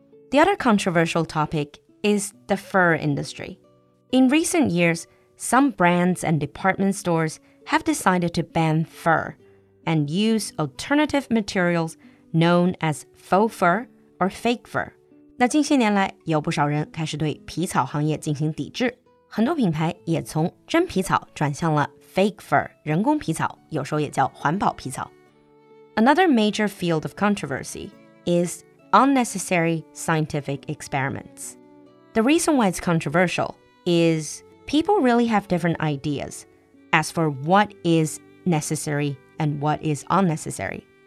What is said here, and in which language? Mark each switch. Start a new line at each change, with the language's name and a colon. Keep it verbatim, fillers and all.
English: The other controversial topic is the fur industry. In recent years, some brands and department stores have decided to ban fur and use alternative materials known as faux fur or fake fur.
Chinese: 那近些年来，有不少人开始对皮草行业进行抵制，很多品牌也从真皮草转向了fake fur, 人工皮草，有时候也叫环保皮草。
English: Another major field of controversy is unnecessary scientific experiments. The reason why it's controversial is people really have different ideas as for what is necessary and what is unnecessary.